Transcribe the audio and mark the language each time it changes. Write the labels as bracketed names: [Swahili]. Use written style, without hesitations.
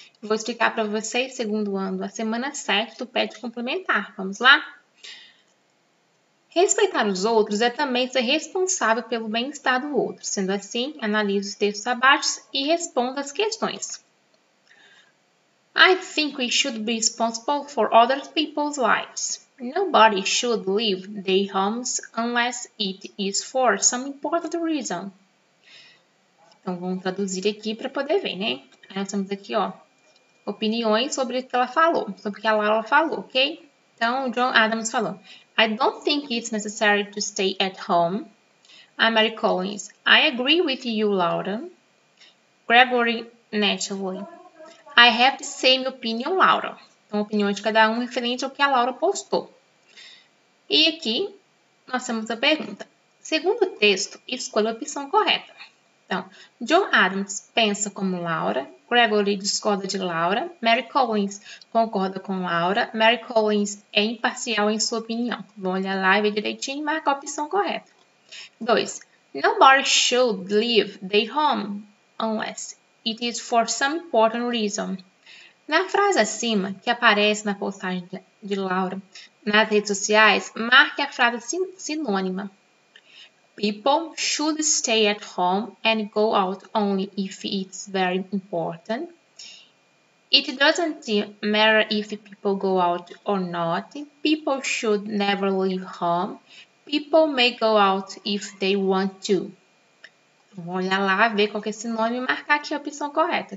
[Portuguese] Vou explicar para vocês, segundo ano, a semana 7 do PET complementar. Vamos lá? Respeitar os outros é também ser responsável pelo bem-estar do outro. Sendo assim, analise os textos abaixo e responda as questões. [English] I think we should be responsible for other people's lives. Nobody should leave their homes unless it is for some important reason. [Portuguese] Então, vamos traduzir aqui para poder ver, né? Aí nós temos aqui, ó, opiniões sobre o que ela falou, sobre o que a Laura falou, ok? Então, John Adams falou, [English] I don't think it's necessary to stay at home. A Mary Collins, I agree with you, Laura. Gregory Nettley, I have the same opinion, Laura. [Portuguese] Uma opinião de cada um referente ao que a Laura postou. E aqui, nós temos a pergunta. Segundo o texto, escolha a opção correta. Então, John Adams pensa como Laura, Gregory discorda de Laura, Mary Collins concorda com Laura, Mary Collins é imparcial em sua opinião. Vão olhar lá e ver direitinho e marcar a opção correta. 2. [English] Nobody should leave their home unless it is for some important reason. [Portuguese] Na frase acima, que aparece na postagem de Laura nas redes sociais, marque a frase sinônima. [English] People should stay at home and go out only if it's very important. It doesn't matter if people go out or not. People should never leave home. People may go out if they want to. [Portuguese] Vou olhar lá, ver qual que é esse nome e marcar aqui a opção correta.